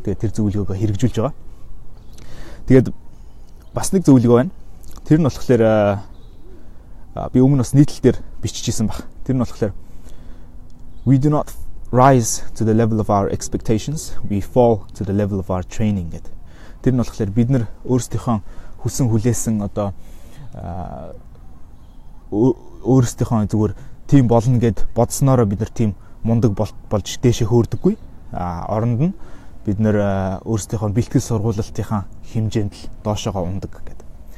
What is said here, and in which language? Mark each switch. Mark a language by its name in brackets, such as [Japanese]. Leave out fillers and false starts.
[Mongolian] Тэгээд тэр зөвлөгөөгөө хэрэгжүүлж байгаа. Тэгээд бас нэг зөвлөгөө байна. Тэр нь болохоор би өмнө бас нийтлэл дээр биччихсэн баг. Тэр нь болохоор [English] we do not rise to the level of our expectations, we fall to the level of our training [Mongolian] гэдэг. Тэр нь болохоор бид нар өөрсдийнхөө хүсэн хүлээсэн одоо өөрсдийнхөө зүгээр тийм болно гэд бодсноороо бид нар тийм мундаг болж дээшээ хөөрдөггүй. Оронд нь бид нар өөрсдийнхөө бэлтгэл сургуулалтынхаа хэмжээнд л доошоогоо ундаг гэдэг.